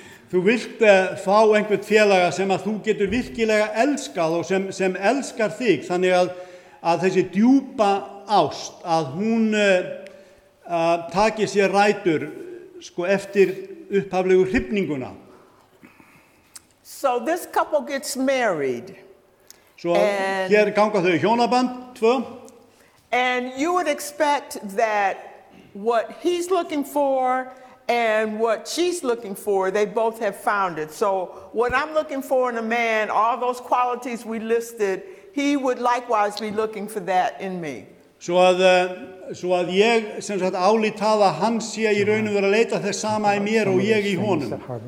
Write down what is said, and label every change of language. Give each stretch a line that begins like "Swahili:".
Icelandic: Þú vilt fá einhvern félaga sem að þú getur virkilega elskað og sem elskar þig, þannig að þessi djúpa ást, að hún taki sér rætur sko eftir upphaflegu hrifninguna.
English: So this couple gets married.
Icelandic: Svo hér ganga þau hjónaband, tvö.
English: And you would expect that what he's looking for and what she's looking for, they both have found it. So what I'm looking for in a man, all those qualities we listed, he would likewise be looking for that in me.
Icelandic: Svo að ég sem sagt álít að hann sé í raun og vera að leita þess sama í mér og ég í honum.